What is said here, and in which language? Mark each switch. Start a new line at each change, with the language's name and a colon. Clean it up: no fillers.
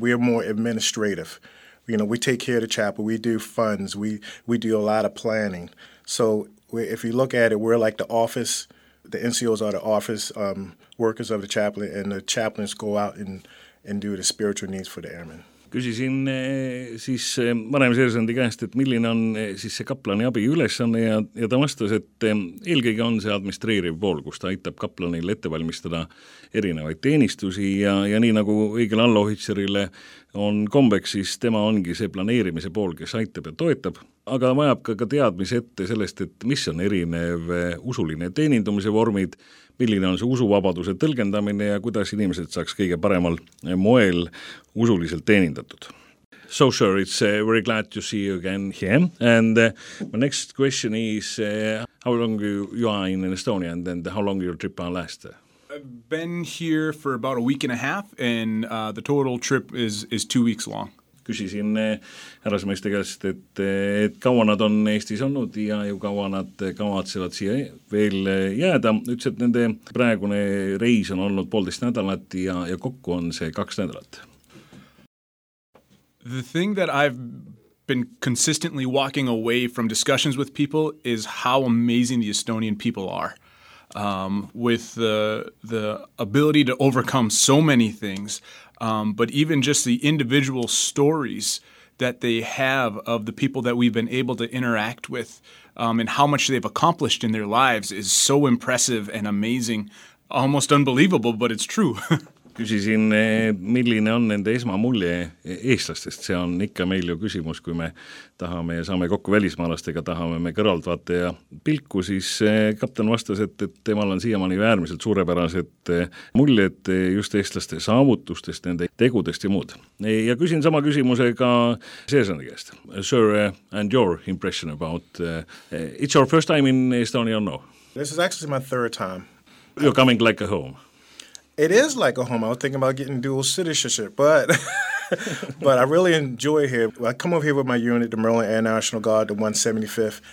English: We are more administrative. You know, we take care of the chapel, we do funds, we do a lot of planning. So if you look at it, we're like the office, the NCOs are the office workers of the chaplain, and the chaplains go out and do the spiritual needs for the airmen.
Estonian: Küsisin siis vanem seersandi käest, et milline on siis see kaplani abi ülesanne ja ta vastas, et eelkõige on see administreeriv pool, kus ta aitab kaplanil ette valmistada erinevaid teenistusi ja nii nagu õigel allohitserile on kombeks, siis tema ongi see planeerimise pool, kes aitab ja toetab. aga vajab ka teadmise ette sellest, et mis on erinev usuline teenindumise vormid, milline on see usuvabaduse tõlgendamine ja kuidas inimesed saaks kõige paremal moel usuliselt teenindatud.
English: So sure, it's very glad to see you again here. And my next question is, how long you are in Estonia and then how long your trip will last? I've been here for about a week and a half and the total trip is 2 weeks long.
Estonian: Küsisin härrasmeeste käest, et kaua nad on Eestis olnud ja kaua nad kavatsevad siia veel jääda. Üldse, et nende praegune reis on olnud poolteist nädalat ja kokku on see kaks nädalat.
English: The thing that I've been consistently walking away from discussions with people is how amazing the Estonian people are. With the ability to overcome so many things, but even just the individual stories that they have of the people that we've been able to interact with and how much they've accomplished in their lives is so impressive and amazing, almost unbelievable, but it's true.
Estonian: Küsisin, milline on nende esmamulje eestlastest. See on ikka meil ju küsimus, kui me tahame ja saame kokku välismaalastega, tahame me kõrvaltvaate ja pilku, siis kapten vastas, et temal on siiamaani äärmiselt suurepärased muljed just eestlaste saavutustest, nende tegudest ja muud. Ja küsin sama küsimuse ka seesõnne käest.
English: Sir, and your impression about... it's your first time in Estonia, no? This is actually my third time. You're coming like a home. It is like a home. I was thinking about getting dual citizenship, but but I really enjoy here. I come over here with my unit, the Maryland Air National Guard, the 175th.